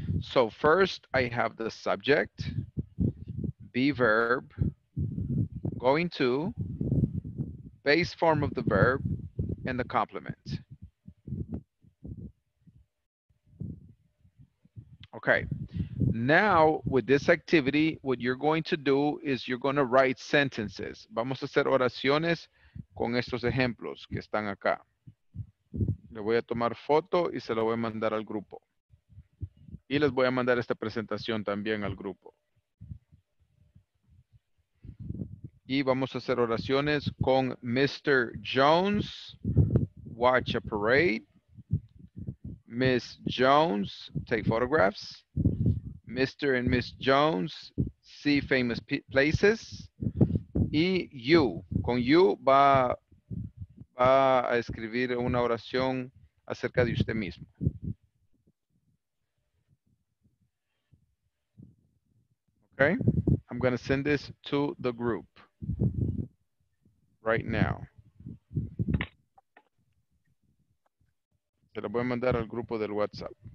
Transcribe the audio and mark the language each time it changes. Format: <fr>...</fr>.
<en>So first I have the subject, be verb, going to, base form of the verb, and the complement. Okay. Now, with this activity, what you're going to do is you're going to write sentences.</en> <es>Vamos a hacer oraciones con estos ejemplos que están acá. Le voy a tomar foto y se lo voy a mandar al grupo. Y les voy a mandar esta presentación también al grupo. Y vamos a hacer oraciones con Mr. Jones,</es> <en>watch a parade. Miss Jones, take photographs. Mr. and Miss Jones, see famous places.</en> <es>Y you, con you va a escribir una oración acerca de usted mismo.</es> <en>Okay, I'm gonna send this to the group right now.</en> <es>Se la voy a mandar al grupo del WhatsApp.</es>